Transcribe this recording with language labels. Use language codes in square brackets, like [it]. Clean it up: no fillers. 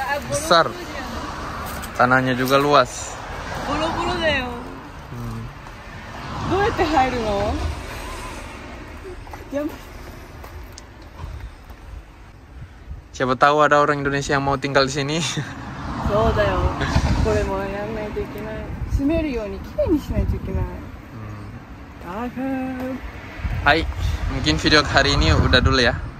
[id] Besar. Tanahnya juga luas. [ja] どうやって入るの？やめ。 [id] Siapa tahu ada orang Indonesia yang mau tinggal di sini? [ja] そうだよ。これもやんないといけない。住めるようにきれいにしないといけない。大変。 [id] Hai, mungkin video hari ini udah dulu ya.